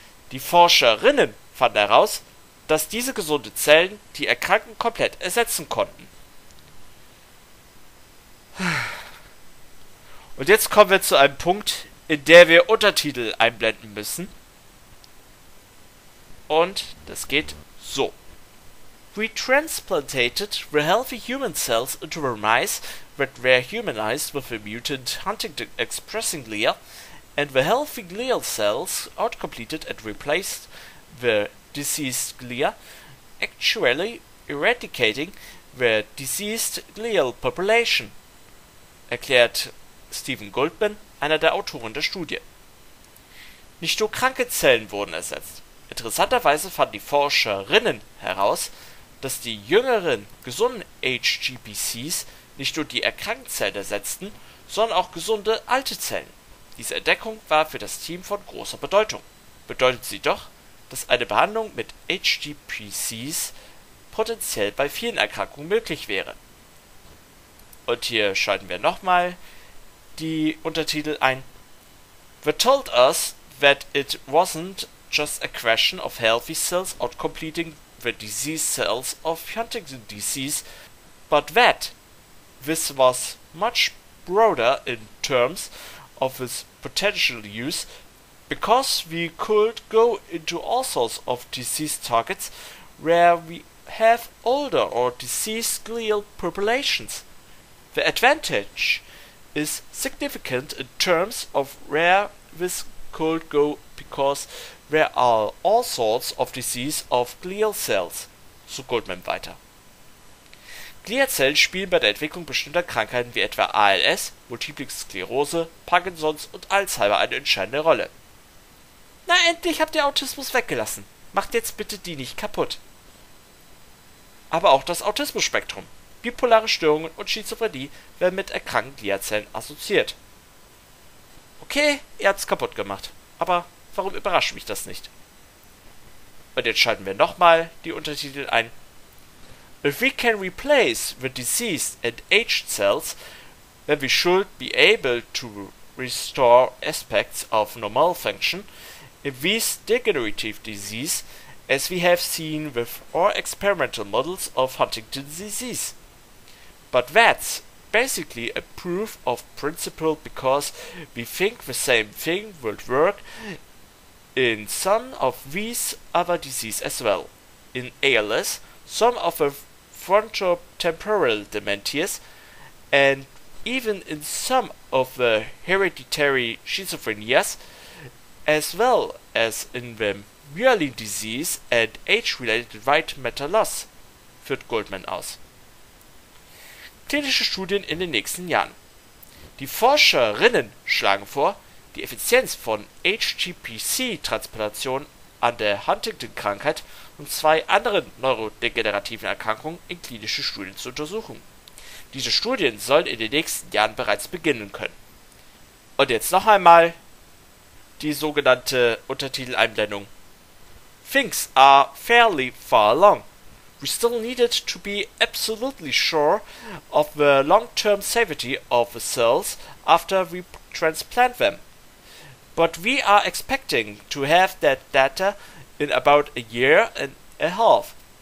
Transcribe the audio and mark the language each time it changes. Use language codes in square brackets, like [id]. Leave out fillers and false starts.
[de] Die Forscherinnen fanden heraus, dass diese gesunden Zellen die Erkrankten komplett ersetzen konnten. Und jetzt kommen wir zu einem Punkt, in dem wir Untertitel einblenden müssen. Und das geht so. [en] We transplanted the healthy human cells into the mice that were humanized with a mutant Huntington expressing glial, and the healthy glial cells outcompeted and replaced the diseased glia, actually eradicating the diseased glial population, [de] erklärt Stephen Goldman, einer der Autoren der Studie. Nicht nur kranke Zellen wurden ersetzt. Interessanterweise fanden die Forscherinnen heraus, dass die jüngeren, gesunden HGPCs nicht nur die erkrankten Zellen ersetzten, sondern auch gesunde, alte Zellen. Diese Entdeckung war für das Team von großer Bedeutung. Bedeutet sie doch, dass eine Behandlung mit HGPCs potenziell bei vielen Erkrankungen möglich wäre. Und hier schalten wir nochmal die Untertitel ein. [en] They told us that it wasn't just a question of healthy cells outcompeting the disease cells of Huntington disease, but that this was much broader in terms of its potential use, because we could go into all sorts of disease targets where we have older or diseased glial populations. The advantage is significant in terms of where this could go, because there are all sorts of disease of glial cells, [de] so Goldman weiter. Gliazellen spielen bei der Entwicklung bestimmter Krankheiten wie etwa ALS, Multiple Sklerose, Parkinsons und Alzheimer eine entscheidende Rolle. Na endlich habt ihr Autismus weggelassen. Macht jetzt bitte die nicht kaputt. Aber auch das Autismus-Spektrum, bipolare Störungen und Schizophrenie werden mit erkrankten Gliazellen assoziiert. Okay, ihr habt's kaputt gemacht. Aber warum überrascht mich das nicht? Und jetzt schalten wir nochmal die Untertitel ein. [en] If we can replace the diseased and aged cells, then we should be able to restore aspects of normal function in these degenerative diseases, as we have seen with our experimental models of Huntington's disease. But that's basically a proof of principle, because we think the same thing would work in some of these other diseases as well. In ALS, some of the frontotemporal dementias, and even in some of the hereditary schizophrenias, as well as in the myelin disease and age-related white matter loss, [de] führt Goldman aus. Klinische Studien in den nächsten Jahren. Die Forscherinnen schlagen vor, die Effizienz von HGPC-Transplantation an der Huntington-Krankheit und zwei anderen neurodegenerativen Erkrankungen in klinische Studien zu untersuchen. Diese Studien sollen in den nächsten Jahren bereits beginnen können. Und jetzt noch einmal die sogenannte Untertitel-Einblendung. [en] Things are fairly far along. We still needed to be absolutely sure of the long-term safety of the cells after we transplant them. But we are expecting to have that data in about a year and a half.